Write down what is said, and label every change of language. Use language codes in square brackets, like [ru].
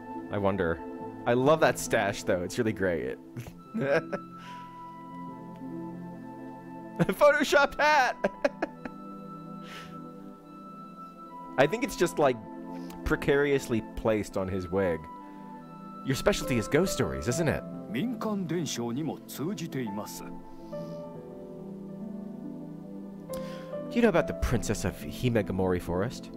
[en] I wonder. I love that stash, though. It's really great. Photoshop hat! I think it's just, like, precariously placed on his wig. Your specialty is ghost stories, isn't it? [ja] 民間伝承にも通じています. [en] Do you know about the Princess of Himegamori Forest?